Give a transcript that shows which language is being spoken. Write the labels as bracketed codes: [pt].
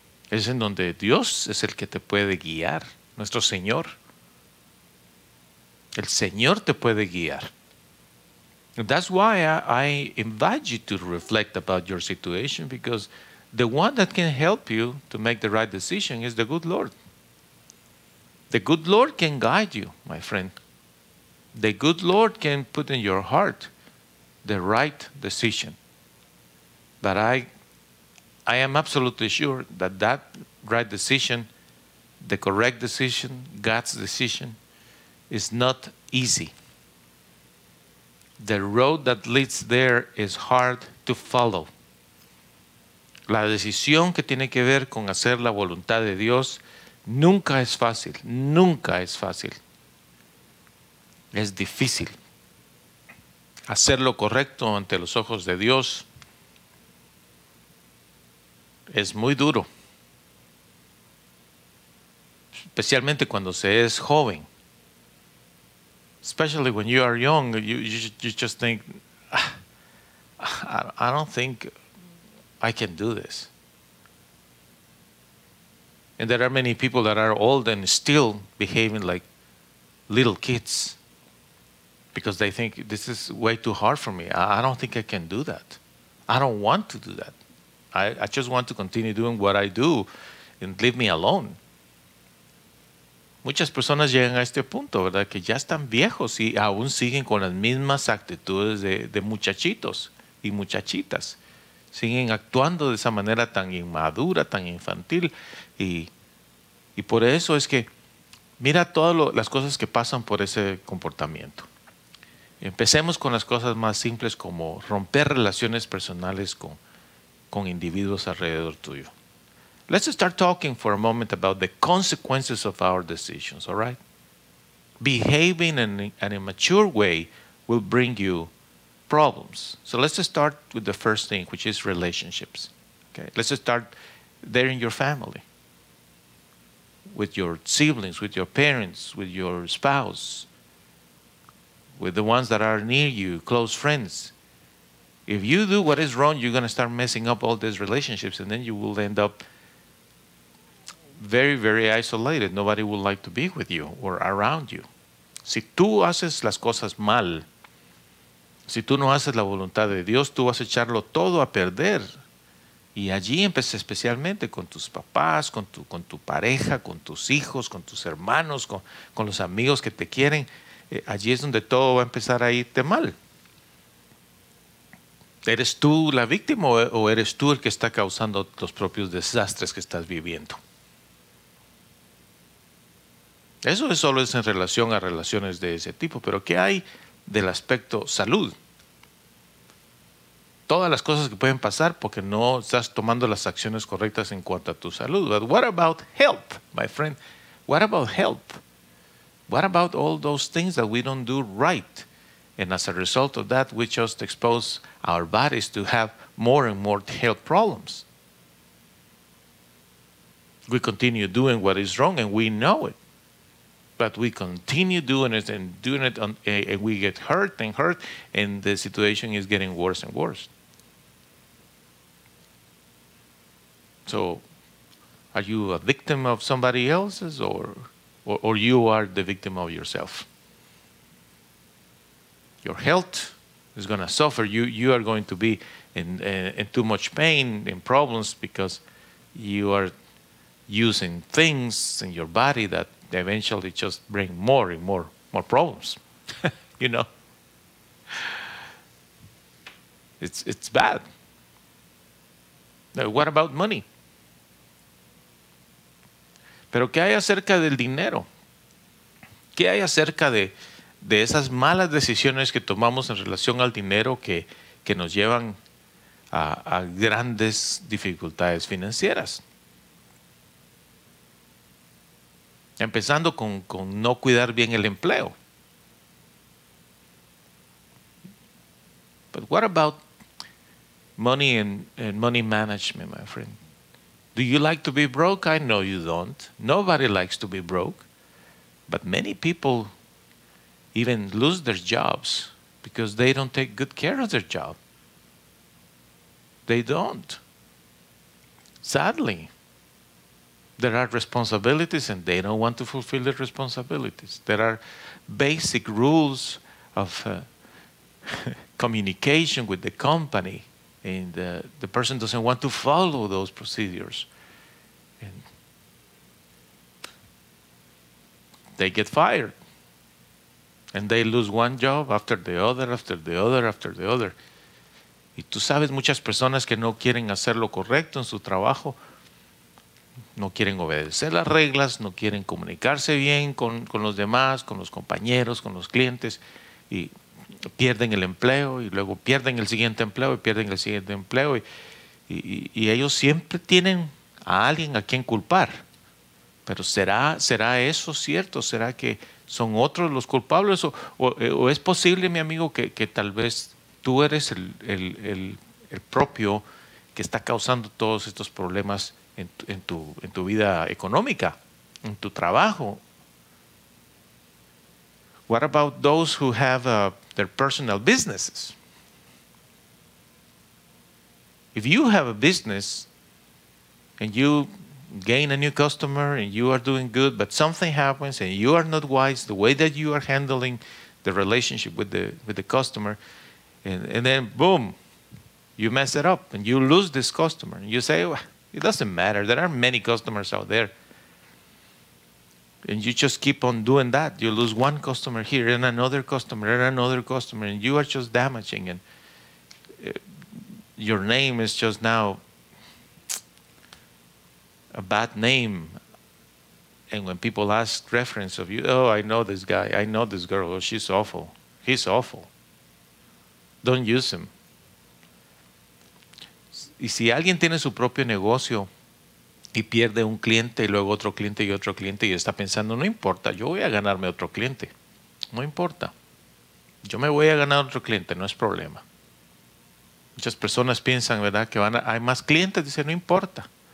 [es] Es en donde Dios es el que te puede guiar, nuestro Señor. El Señor te puede guiar. [en] That's why I invite you to reflect about your situation, because the one that can help you to make the right decision is the good Lord. The good Lord can guide you, my friend. The good Lord can put in your heart the right decision. But I am absolutely sure that right decision, the correct decision, God's decision, is not easy. The road that leads there is hard to follow. [es] La decisión que tiene que ver con hacer la voluntad de Dios nunca es fácil. Nunca es fácil. Es difícil. Hacer lo correcto ante los ojos de Dios es muy duro. Especialmente cuando se es joven. [en] Especially when you are young, you just think, I don't think I can do this. And there are many people that are old and still behaving like little kids because they think, this is way too hard for me. I don't think I can do that. I don't want to do that. I just want to continue doing what I do and leave me alone. [es] Muchas personas llegan a este punto, ¿verdad? Que ya están viejos y aún siguen con las mismas actitudes de muchachitos y muchachitas. Siguen actuando de esa manera tan inmadura, tan infantil. Y por eso es que mira todas las cosas que pasan por ese comportamiento. Empecemos con las cosas más simples, como romper relaciones personales con individuos alrededor tuyo. [en] Let's start talking for a moment about the consequences of our decisions, all right? Behaving in an immature way will bring you problems. So let's just start with the first thing, which is relationships. Okay, let's just start there in your family, with your siblings, with your parents, with your spouse, with the ones that are near you, close friends. If you do what is wrong, you're going to start messing up all these relationships, and then you will end up very, very isolated. Nobody would like to be with you or around you. [es] Si tú haces las cosas mal, si tú no haces la voluntad de Dios, tú vas a echarlo todo a perder. Y allí empieza especialmente con tus papás, con tu pareja, con tus hijos, con tus hermanos, con los amigos que te quieren. Allí es donde todo va a empezar a irte mal. ¿Eres tú la víctima o eres tú el que está causando los propios desastres que estás viviendo? Eso es solo en relación a relaciones de ese tipo. Pero ¿qué hay del aspecto salud? Todas las cosas que pueden pasar porque no estás tomando las acciones correctas en cuanto a tu salud. [en] But what about health, my friend? What about health? What about all those things that we don't do right? And as a result of that, we just expose our bodies to have more and more health problems. We continue doing what is wrong and we know it. But we continue doing it, and we get hurt, and the situation is getting worse and worse. So, are you a victim of somebody else's, or you are the victim of yourself? Your health is going to suffer. You are going to be in too much pain and problems because you are using things in your body that eventually just bring more and more problems. You know, it's bad. Now, what about money? [es] Pero ¿qué hay acerca del dinero? ¿Qué hay acerca de esas malas decisiones que tomamos en relación al dinero que nos llevan a grandes dificultades financieras? Empezando con no cuidar bien el empleo. [en] But what about money and money management, my friend? Do you like to be broke? I know you don't. Nobody likes to be broke. But many people even lose their jobs because they don't take good care of their job. They don't. Sadly, there are responsibilities and they don't want to fulfill their responsibilities. There are basic rules of communication with the company, and the person doesn't want to follow those procedures. And they get fired. And they lose one job after the other, after the other, after the other. [es] Y tú sabes, muchas personas que no quieren hacer lo correcto en su trabajo, no quieren obedecer las reglas, no quieren comunicarse bien con los demás, con los compañeros, con los clientes, y pierden el empleo, y luego pierden el siguiente empleo, y pierden el siguiente empleo, y ellos siempre tienen a alguien a quien culpar. Pero ¿será eso cierto? ¿Será que son otros los culpables? ¿O es posible, mi amigo, que tal vez tú eres el propio que está causando todos estos problemas en tu vida económica, en tu trabajo? [en] What about those who have their personal businesses? If you have a business and you gain a new customer and you are doing good, but something happens and you are not wise the way that you are handling the relationship with the customer, and then boom, you mess it up and you lose this customer. And you say, well, it doesn't matter. There are many customers out there. And you just keep on doing that. You lose one customer here and another customer and another customer, and you are just damaging, and your name is just now a bad name. And when people ask reference of you, oh, I know this guy, I know this girl, oh, she's awful, he's awful, don't use him. [es] Y si alguien tiene su propio negocio y pierde un cliente y luego otro cliente y otro cliente, y está pensando, no importa, yo voy a ganarme otro cliente, no importa, yo me voy a ganar otro cliente, no es problema. Muchas personas piensan, ¿verdad?, que van a, hay más clientes, dicen, no importa.